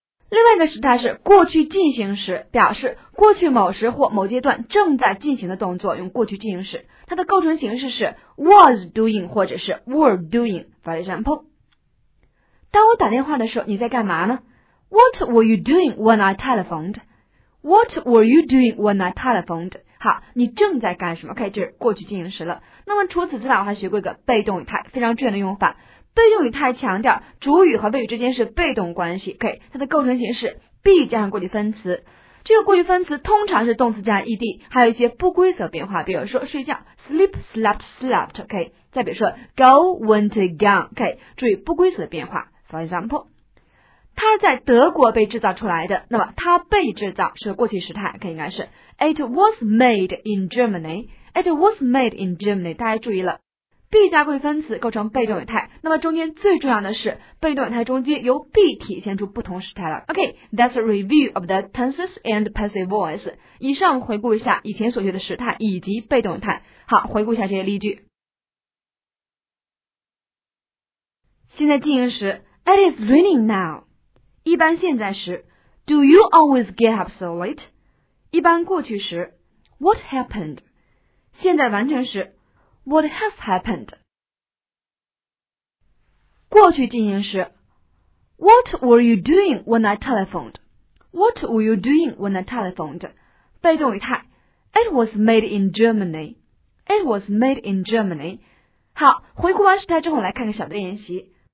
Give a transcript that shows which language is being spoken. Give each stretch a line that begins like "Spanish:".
Chinese: 另外一个时态是过去进行时，表示过去某时或某阶段正在进行的动作，用过去进行时。它的构成形式是 was doing 或者是 were doing。
English: For example，
Chinese: 当我打电话的时候你在干嘛呢？
English: What were you doing when I telephoned? What were you doing when I telephoned?
Chinese: 好，你正在干什么？ OK， 这是过去进行时了。那么除此之外，我还学过一个被动语态，非常重要的用法。被动语态强调主语和谓语之间是被动关系。 OK， 它的构成形式 be 加上过去分词，这个过去分词通常是动词加 ed， 还有一些不规则变化，比如说睡觉 sleep、slept、slept。 OK， 再比如说 go、went、gone。OK， 注意不规则的变化。
English: For example，
Chinese: 它在德国被制造出来的，那么它被制造是过去时态。
English: OK，
Chinese: 应该是
English: It was made in Germany. It was made in Germany.
Chinese: 大家注意了， be 加过去分词构成被动语态。那么中间最重要的是被动语态中间由 be 体现出不同时态了。 OK，
English: that's a review of the tenses and passive voice.
Chinese: 以上回顾一下以前所学的时态以及被动语态。好，回顾一下这些例句。现在进行时
English: It is raining now.
Chinese: 一般现在时
English: Do you always get up so late?
Chinese: 一般过去时
English: What happened?
Chinese: 现在完成时
English: What has happened?
Chinese: 过去进行时
English: What were you doing when I telephoned? What were you doing when I telephoned?
Chinese: 被动语态
English: It was made in Germany. It was made in Germany.
Chinese: 好，回顾完时态之后来看个小的练习。